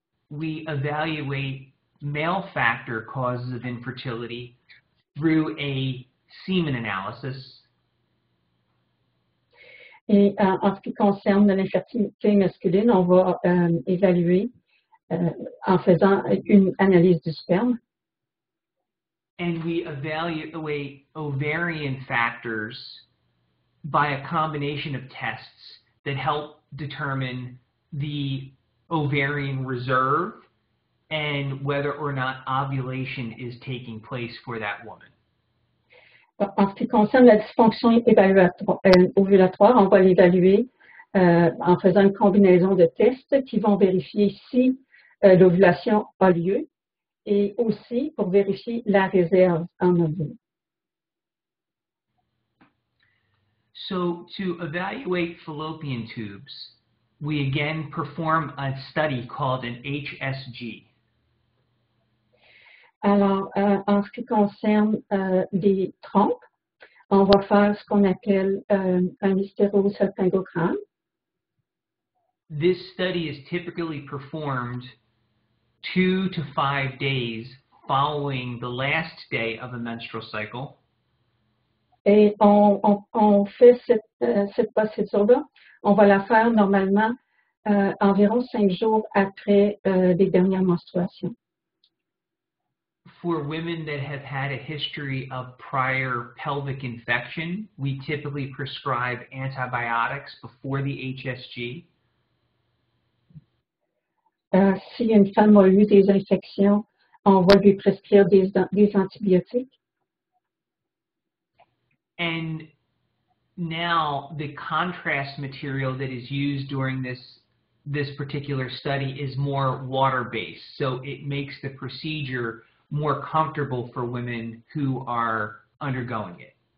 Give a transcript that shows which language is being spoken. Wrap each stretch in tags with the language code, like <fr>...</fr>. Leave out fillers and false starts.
<en>We evaluate male factor causes of infertility through a semen analysis.</en> <fr>Et en ce qui concerne l'infertilité masculine, on va évaluer en faisant une analyse du sperme.</fr> <en>And we evaluate ovarian factors by a combination of tests that help determine the ovarian reserve and whether or not ovulation is taking place for that woman.</en> <fr>En ce qui concerne la dysfonction ovulatoire, on va l'évaluer en faisant une combinaison de tests qui vont vérifier si l'ovulation a lieu et aussi pour vérifier la réserve en ovule.</fr> <en>So to evaluate fallopian tubes, we again perform a study called an HSG.</en> <fr>Alors, en ce qui concerne les trompes, on va faire ce qu'on appelle un hystérosalpingogramme.</fr> <en>This study is typically performed 2 to 5 days following the last day of a menstrual cycle.</en> <fr>Et on fait cette procédure-là, on va la faire normalement environ 5 jours après les dernières menstruations.</fr> <en>For women that have had a history of prior pelvic infection, we typically prescribe antibiotics before the HSG.</en> <fr>Si une femme a eu des infections, on va lui prescrire des antibiotiques.</fr> <en>And now the contrast material that is used during this particular study is more water-based, so it makes the procedure more comfortable for women who are undergoing it.</en>